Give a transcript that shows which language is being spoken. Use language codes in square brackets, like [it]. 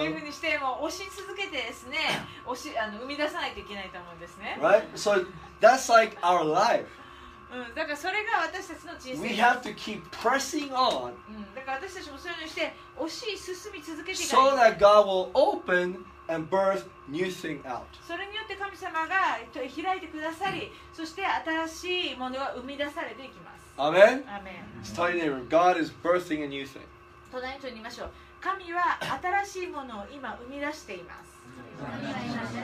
[ja] というふうにしても押し続けてですね、押しあの生み出さないといけないと思うんですね。 [en] Right, so that's like our life. [ja] だからそれが私たちの人生です。 [en] We have to keep pressing on. [ja] だから私たちもそういうのにして押し進み続けてい [en] く。So that God will open and birth new thing out. [ja] それによって神様が開いてくださり、そして新しいものが生み出されていきます。 [en] Amen. Amen. Tell your neighbor, God is birthing a new thing. [ja] 隣の人に言いましょう。神は新しいものを今生み出しています。